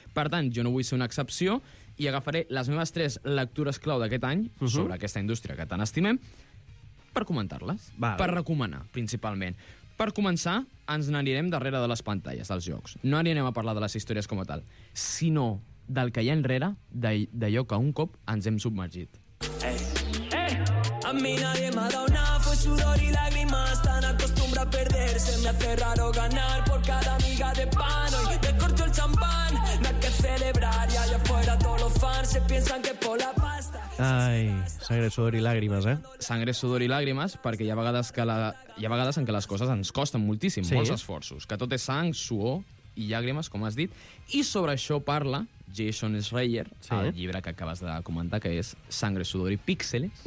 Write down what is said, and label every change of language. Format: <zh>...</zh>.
<ca>Per tant, jo no vull ser una excepció i agafaré les meves tres lectures clau d'aquest any sobre aquesta indústria que tant estimem per comentar-les, per recomanar, principalment. Per començar, ens n'anirem darrere de les pantalles dels jocs. No anirem a parlar de les històries com a tal, sinó del que hi ha enrere d'allò que un cop ens hem submergit.</ca> <es>A mi nadie me ha dado nada, fue sudor y lágrimas, tan acostumbra a perder, se me hace raro ganar por cada miga de pan. Hoy te corto el champán, no hay que celebrar, y allá afuera todos los fans se piensan que por la pasta... Ai, sangre, sudor y lágrimas, eh? Sangre, sudor y lágrimas,</es> <ca>perquè hi ha vegades que hi ha vegades en què les coses ens costen moltíssim, molts esforços, que tot és sang, suor i llàgrimes, com has dit, i sobre això parla Jason Schreier, el llibre que acabes de comentar, que és Sangre, sudor i píxeles.</ca>